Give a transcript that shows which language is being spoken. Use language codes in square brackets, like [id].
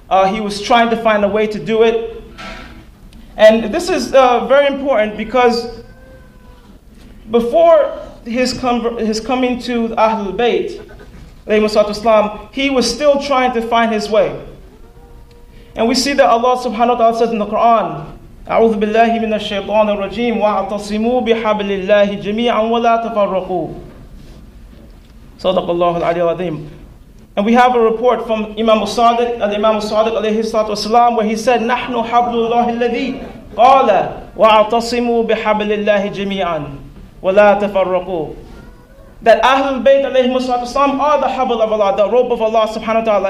[en] He was trying to find a way to do it. And this is very important because before his coming to Ahlul Bayt, alayhi wassalatu wassalam, he was still trying to find his way. And we see that Allah subhanahu wa ta'ala says in the Quran, [ar] أعوذ بالله من الشيطان الرجيم واعتصموا بحبل الله جميعا ولا تفرقوا صدق الله العلي العظيم. [en] And we have a report from Imam Sadiq, Imam Sadiq alayhi salatu wasalam, where he said, [ar] نحن حبل الله الذي قال واعتصموا بحبل الله جميعا ولا تفرقوا. [en] That Ahlul Bayt alayhi salatu wasalam are the habl of Allah, the rope of Allah subhanahu wa ta'ala.